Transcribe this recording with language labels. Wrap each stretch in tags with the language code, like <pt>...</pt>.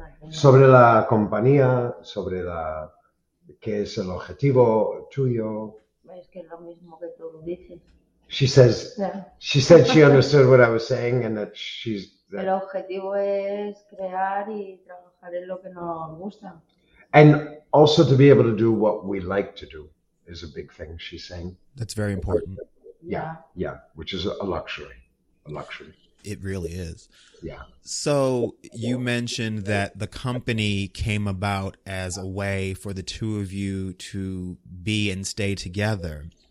<es>Sobre la compañía, sobre la qué es el objetivo tuyo. Es que lo mismo que tú dices.</es> <en>She says. She said she understood what I was saying and that she's.</en> <es>El objetivo es crear y trabajar en lo que nos gusta.</es> <en>And also to be able to do what we like to do is a big thing. She's saying. That's very important. Yeah, which is a luxury. It really is. Yeah. So you mentioned that the company came about as a way for the two of you to be and stay together.</en>